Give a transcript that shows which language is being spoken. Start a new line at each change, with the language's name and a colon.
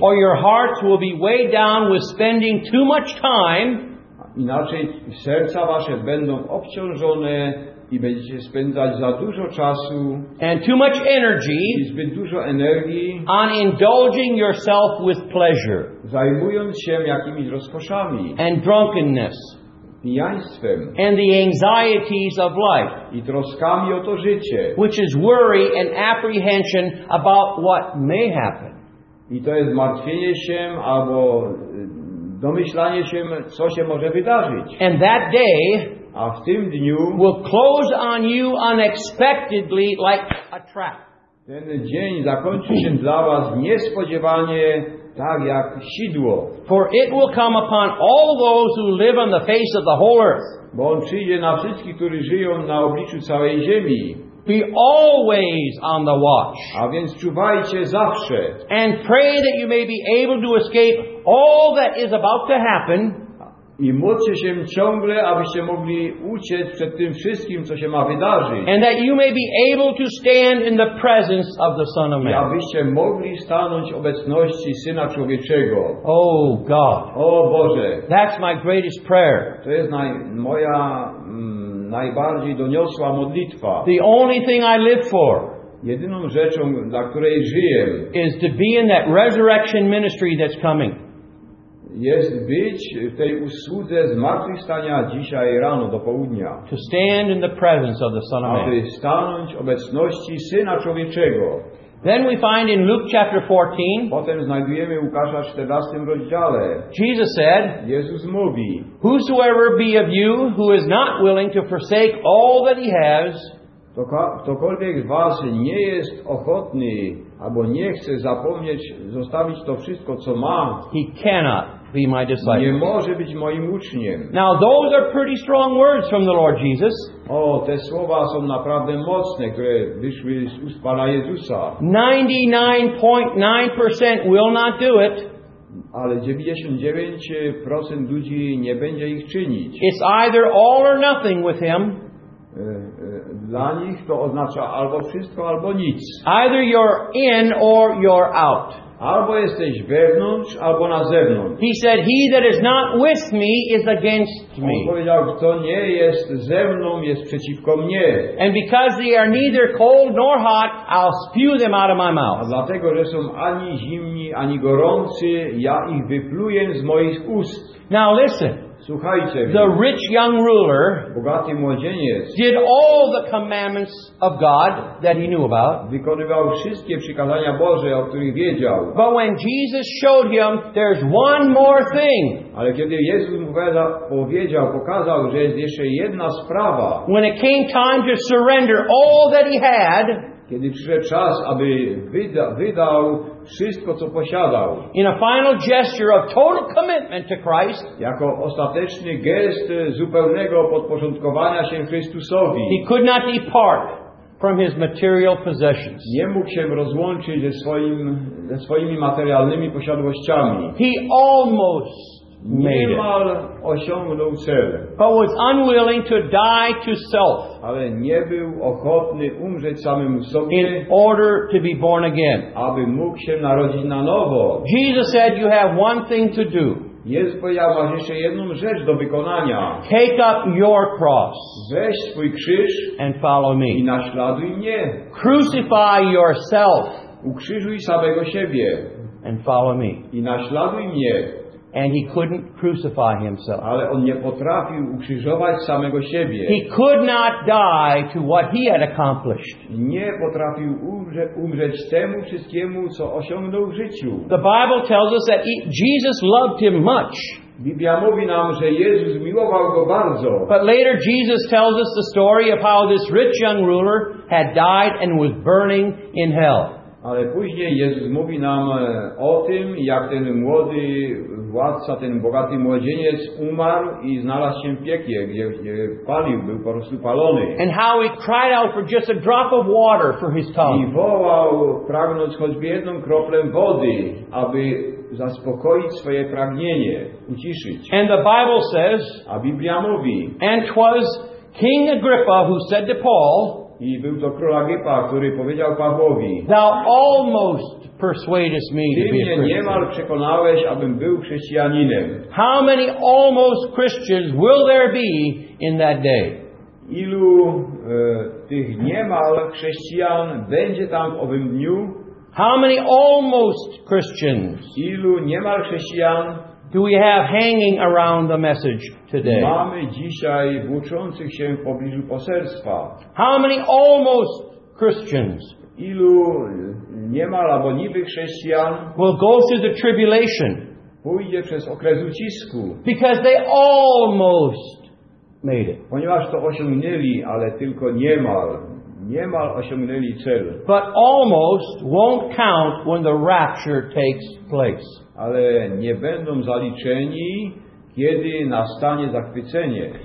English: or your hearts will be weighed down with spending too much time.
Polish: Inaczej serca wasze będą obciążone i będziecie spędzać za dużo czasu,
English: and too much energy,
Polish: i zbyt dużo energii,
English: on indulging yourself with pleasure,
Polish: zajmując się jakimiś rozkoszami,
English: and drunkenness,
Polish: pijaństwem,
English: and the anxieties of life,
Polish: i troskami o to życie,
English: which is worry and apprehension about what may happen.
Polish: I to jest martwienie się albo domyślanie się, co się może wydarzyć.
English: And that day,
Polish: a w tym dniu,
English: will close on you unexpectedly like a trap.
Polish: Ten dzień zakończy się dla was niespodziewanie, tak jak sidło.
English: For it will come upon all those who live on the face of the whole earth.
Polish: Bo on przyjdzie na wszystkich, którzy żyją na obliczu całej ziemi.
English: Be always on the watch.
Polish: A więc czuwajcie zawsze.
English: And pray that you may be able to escape all that is about to happen.
Polish: I módlcie się ciągle, abyście mogli uciec przed tym wszystkim, co się ma wydarzyć.
English: And that you may be able to stand in the presence of the Son of Man.
Polish: I abyście mogli stanąć w obecności Syna Człowieczego.
English: Oh God.
Polish: O Boże.
English: That's my greatest prayer.
Polish: To jest moja najbardziej doniosła modlitwa.
English: The only thing I live for.
Polish: Jedyną rzeczą, dla której żyję,
English: is to be in that resurrection ministry that's coming.
Polish: Jest być w tej usłudze zmartwychwstania dzisiaj rano do południa.
English: To stand in the presence of the Son of Man.
Polish: Aby stanąć w obecności Syna Człowieczego.
English: Then we find in Luke chapter 14.
Polish: Potem znajdujemy Łukasza w 14 rozdziale.
English: Jesus said,
Polish: Jezus mówi,
English: whosoever be of you who is not willing to forsake all that he has,
Polish: ktokolwiek z was nie jest ochotny albo nie chce zapomnieć, zostawić to wszystko, co ma,
English: he cannot be my disciple.
Polish: Nie może być moim uczniem.
English: Now those are pretty strong words from the Lord Jesus.
Polish: O, te słowa są naprawdę mocne, które wyszły z ust Pana Jezusa.
English: 99.9% will not do it.
Polish: Ale 99% ludzi nie będzie ich czynić.
English: It's either all or nothing with him.
Polish: Dla nich to oznacza albo wszystko, albo nic.
English: Either you're in or you're out.
Polish: Albo jesteś wewnątrz, albo na zewnątrz.
English: He said, he that is not with me is against me.
Polish: On powiedział, kto nie jest ze mną, jest przeciwko mnie.
English: And because they are neither cold nor hot, I'll spew them out of my mouth.
Polish: A dlatego, że są ani zimni, ani gorący, ja ich wypluję z moich ust.
English: Now listen.
Polish: Słuchajcie,
English: the rich young ruler,
Polish: bogaty młodzieniec,
English: did all the commandments of God that he knew about.
Polish: Wykonywał wszystkie przykazania Boże, o których wiedział.
English: But when Jesus showed him, there's one more thing.
Polish: Ale kiedy Jezus mu powiedział, pokazał, że jest jeszcze jedna sprawa.
English: When it came time to surrender all that he had,
Polish: kiedy przyszedł czas, aby wydał wszystko, co posiadał.
English: In a final gesture of total commitment to Christ,
Polish: jako ostateczny gest zupełnego podporządkowania się Chrystusowi,
English: he could not depart from his material possessions.
Polish: Nie mógł się rozłączyć ze swoimi materialnymi posiadłościami.
English: He almost made it.
Polish: Osiągnął cel.
English: But was unwilling to die to self.
Polish: Ale nie był ochotny umrzeć samemu sobie.
English: In order to be born again.
Polish: Aby mógł się narodzić na nowo.
English: Jesus said, "You have one thing to do."
Polish: Jezus powiedział, masz jeszcze jedną rzecz do wykonania.
English: Take up your cross.
Polish: Weź swój krzyż.
English: And follow me.
Polish: I naśladuj mnie.
English: Crucify yourself.
Polish: Ukrzyżuj samego siebie.
English: And follow me.
Polish: I naśladuj mnie.
English: And he couldn't crucify himself.
Polish: Ale on nie potrafił ukrzyżować samego siebie.
English: He could not die to what he had accomplished.
Polish: Nie potrafił umrzeć temu wszystkiemu, co osiągnął w życiu.
English: The Bible tells us that Jesus loved him much.
Polish: Biblia mówi nam, że Jezus miłował go bardzo.
English: But later Jesus tells us the story of how this rich young ruler had died and was burning in hell.
Polish: Ale później Jezus mówi nam o tym, jak ten młody władca, ten bogaty młodzieniec umarł i znalazł się w piekle, gdzie palił, był po prostu palony.
English: And how he cried out for just a drop of water for his tongue.
Polish: I wołał, pragnąc choćby jedną kroplę wody, aby zaspokoić swoje pragnienie, uciszyć.
English: And the Bible says,
Polish: a Biblia mówi,
English: and 'twas King Agrippa who said to Paul,
Polish: i był to król Agrypa, który powiedział Pawłowi,
English: thou almost persuadest me to be a Christian.
Polish: Ty mnie niemal przekonałeś, abym był chrześcijaninem.
English: How many almost Christians will there be in that day?
Polish: Ilu tych niemal chrześcijan będzie tam w owym dniu?
English: How many almost Christians?
Polish: Ilu niemal chrześcijan?
English: Do we have hanging around the message today?
Polish: Mamy dzisiaj włóczących się w pobliżu poselstwa.
English: How many almost Christians?
Polish: Ilu niemal albo niby chrześcijan?
English: Will go through the tribulation?
Polish: Pójdzie przez okres ucisku.
English: Because they almost made it.
Polish: Ponieważ to osiągnęli, ale tylko niemal. Niemal osiągnęli cel.
English: But almost won't count when the rapture takes place.
Polish: Ale nie będą zaliczeni, kiedy nastanie zachwycenie.